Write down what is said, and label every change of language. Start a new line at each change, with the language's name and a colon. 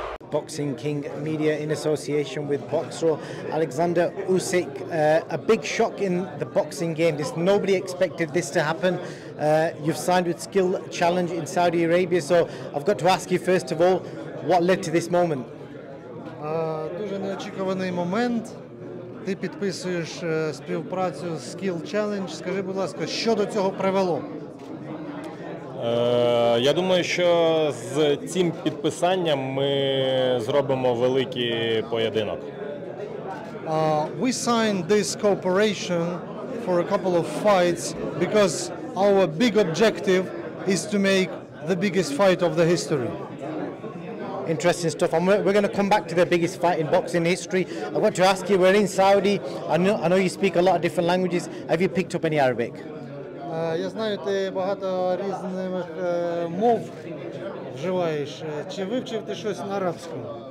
English: Boxing King Media in association with boxer Alexander Usyk. A big shock in the boxing game. This, nobody expected this to happen. You've signed with Skill Challenge in Saudi Arabia. So I've got to ask you, first of all, what led to this moment?
Ukrainian: Дуже неочікуваний момент. Ти підписуєш співпрацю з Skill Challenge. Скажи, будь ласка, що до цього привело? Я думаю, що з цим підписанням ми зробимо великий поєдинок.
English: We signed this cooperation for a couple of fights because our big objective is to make the biggest fight of the history. Interesting stuff. We're going to come back to the biggest fight in boxing history. I want to ask you, we're in Saudi. I know you speak a lot of different languages. Have you picked up any Arabic?
Ukrainian: Я знаю, ти багато різних мов вживаєш. Чи вивчив ти щось на арабському?